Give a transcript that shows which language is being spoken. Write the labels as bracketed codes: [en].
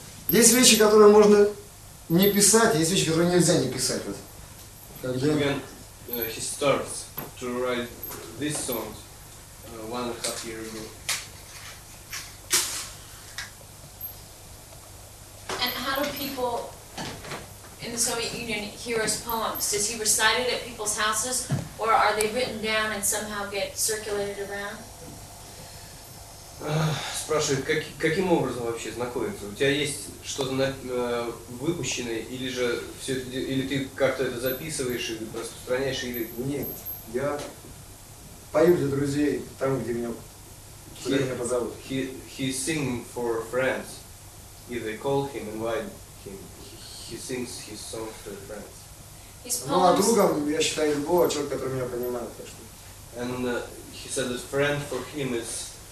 [ru] Есть вещи, которые можно не писать, есть вещи, которые нельзя не писать. Вот. Когда... [en] When he starts to write this song one and a half year ago. And how do people in the Soviet Union hear his poems? Does he recite it at people's houses, or are they written down and somehow get circulated around? [ru] Спрашивает, каким образом вообще знакомиться? У тебя есть что-то выпущенное, или же все это, или ты как-то это записываешь и распространяешь, или... Нет, я пою для друзей там, где меня, куда меня позовут. [en] He sings for friends. If they call him, invite him. He sings his songs for friends. [ru] Ну, а другом, я считаю, любого человека, который меня понимает. Так что... [en] And he said that friend for him is...